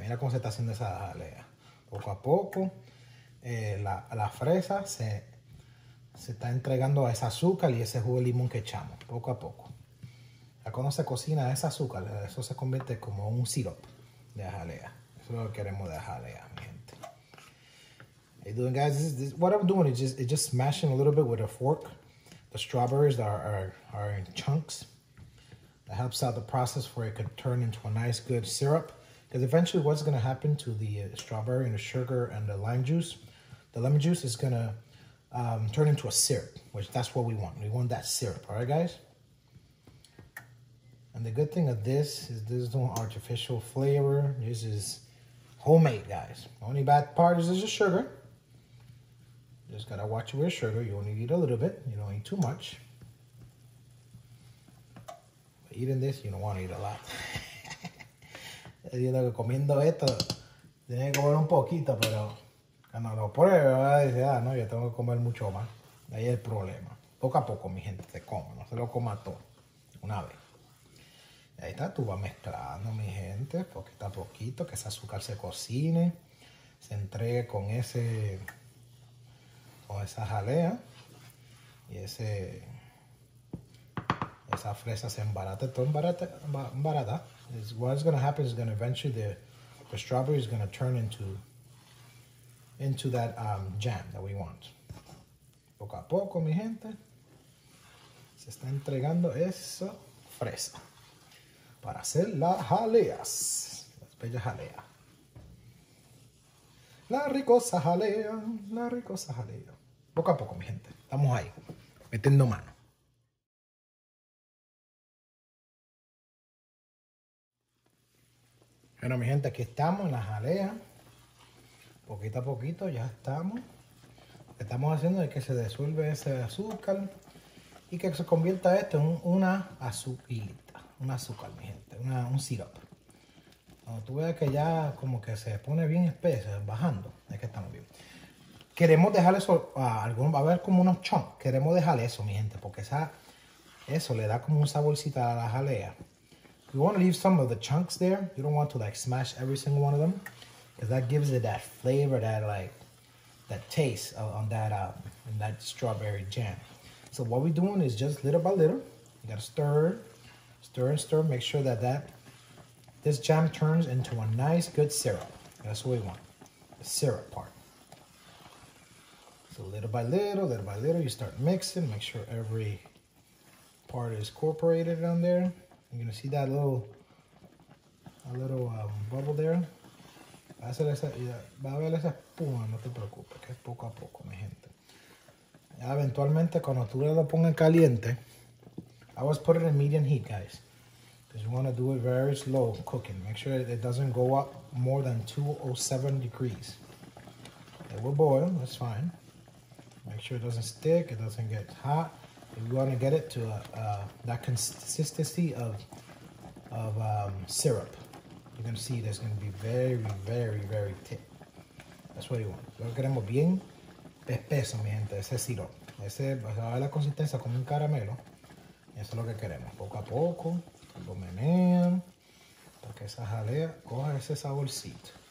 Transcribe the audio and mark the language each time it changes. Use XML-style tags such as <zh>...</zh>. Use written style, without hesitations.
<es>Mira cómo se está haciendo esa jalea. Poco a poco, la fresa se está entregando a ese azúcar y ese jugo de limón que echamos. Poco a poco. Ya cuando se cocina ese azúcar, eso se convierte como un sirop de jalea. Eso es lo que queremos de jalea, mi gente.</es> <en>Hey, doing guys, this, what I'm doing is just smashing a little bit with a fork. The strawberries are in chunks. That helps out the process for it could turn into a nice good syrup. Because eventually what's going to happen to the strawberry and the sugar and the lime juice, the lemon juice is going to turn into a syrup, which that's what we want. We want that syrup, all right, guys? And the good thing of this is this is no artificial flavor. This is homemade, guys. Only bad part is there's just sugar. Just got to watch with sugar. You only eat a little bit. You don't eat too much. But eating this, you don't want to eat a lot.</en> <es>Diciendo que comiendo esto tiene que comer un poquito, pero cuando lo pruebe, dice, ah, no, yo tengo que comer mucho más. Ahí es el problema. Poco a poco, mi gente, se come, no se lo coma todo, una vez. Ahí está, tú vas mezclando, mi gente, poquito a poquito, que ese azúcar se cocine, se entregue con ese, con esa jalea, y ese, esa fresa se embarate, todo embarate, embarata.</es> <en>Is what's gonna happen is gonna eventually the strawberry is gonna turn into that jam that we want.</en> <es>Poco a poco, mi gente, se está entregando esa fresa para hacer las jaleas, las bellas jaleas, la ricosa jalea, la ricosa jalea. Poco a poco, mi gente, estamos ahí, metiendo mano. Bueno, mi gente, aquí estamos en la jalea. Poquito a poquito ya estamos. Lo que estamos haciendo es que se disuelve ese azúcar y que se convierta esto en una azúcarita. Un azúcar, mi gente. Un syrup. Cuando tú veas que ya como que se pone bien espeso, bajando, es que estamos bien. Queremos dejarle eso a algunos. Va a haber como unos chunks. Queremos dejarle eso, mi gente, porque eso le da como un saborcito a la jalea.</es> <en>You want to leave some of the chunks there. You don't want to like smash every single one of them, because that gives it that flavor, that like that taste on that that strawberry jam. So what we're doing is just little by little. You gotta stir. Make sure that this jam turns into a nice, good syrup. That's what we want, the syrup part. So little by little, you start mixing. Make sure every part is incorporated on there. You're gonna see that little bubble there.</en> <es>Va a ver esa espuma, no te preocupes, que es poco a poco, mi gente. Eventualmente, cuando tú lo pongas caliente,</es> <en>I always put it in medium heat, guys. Because you want to do it very slow cooking. Make sure it doesn't go up more than 207 degrees. It will boil, that's fine. Make sure it doesn't stick, it doesn't get hot. You want to get it to that consistency of syrup. You're going to see that's going to be very, very, very thick. That's what you want.</en> <es>Lo queremos bien espeso, mi gente, ese syrup. Ese va a dar la consistencia como un caramelo. Eso es lo que queremos. Poco a poco, lo menean para que esa jalea coja ese saborcito.</es>